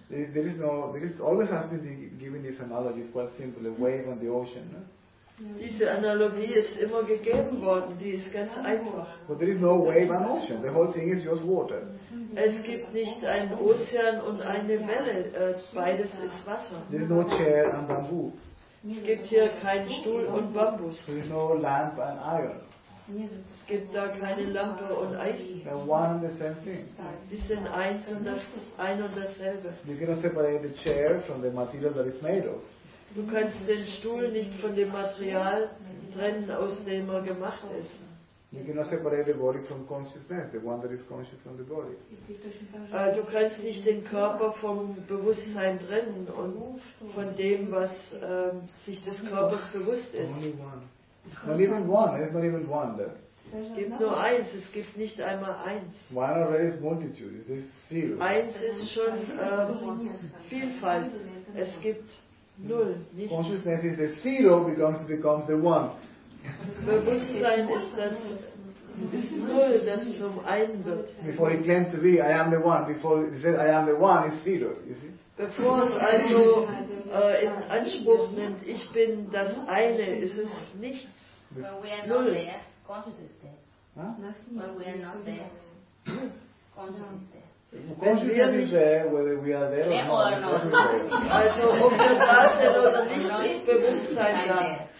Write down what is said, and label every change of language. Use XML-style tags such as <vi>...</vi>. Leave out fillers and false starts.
<en>There is no, there is always has been given this analogy, it's quite simple, a wave on the ocean. No?</en> <de>Diese Analogie ist immer gegeben worden, die ist ganz einfach.</de> <en>But there is no wave and ocean, the whole thing is just water.</en> <de>Es gibt nicht einen Ozean und eine Welle, beides ist Wasser.</de> <en>There is no chair and bamboo.</en> <de>Es gibt hier keinen Stuhl und Bambus.</de> <en>There is no lamp and iron.</en> <de>Es gibt da keine Lampe und Eisen.</de> <en>They're one and the same thing.</en> <de>Sie sind eins und das ein und dasselbe.</de> <en>You cannot separate the chair from the material that it's made of.</en> <de>Du kannst den Stuhl nicht von dem Material trennen, aus dem er gemacht ist.</de> <en>You cannot separate the body from consciousness, the one that is conscious from the body.</en> <de>Du kannst nicht den Körper vom Bewusstsein trennen und von dem, was sich des Körpers bewusst ist.</de> <en>Not even one, it's not even one there.</en> <de>Es gibt nur eins, es gibt nicht einmal eins.</de> <en>One already is multitude, it's zero.</en> <de>Eins ist schon Vielfalt, es gibt null, nichts.</de> <en>Consciousness is the zero, becomes the one.</en> <de>Bewusstsein ist das ist null, das zum einen wird.</de> <en>Before he claimed to be, I am the one, before he said, I am the one, it's zero, you see?</en> <de>Bevor es also in Anspruch nimmt, ich bin das eine, ist es nichts. Null.</de> <en>Consciousness is there, whether we are there or not.</en> <de>Also ob wir da sind oder nicht, ist Bewusstsein da.</de>